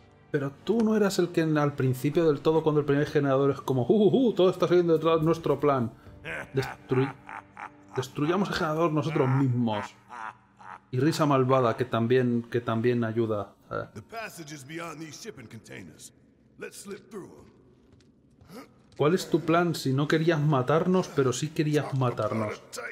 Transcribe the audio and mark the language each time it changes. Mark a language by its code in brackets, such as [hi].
[es] Pero tú no eras el que al principio del todo, cuando el primer generador es como, todo está saliendo detrás de nuestro plan. Destruyamos el generador nosotros mismos. Y risa malvada que también ayuda. [en] The passage is beyond these shipping containers. Let's slip through them. [es] ¿Cuál es tu plan si no querías matarnos, pero sí querías matarnos?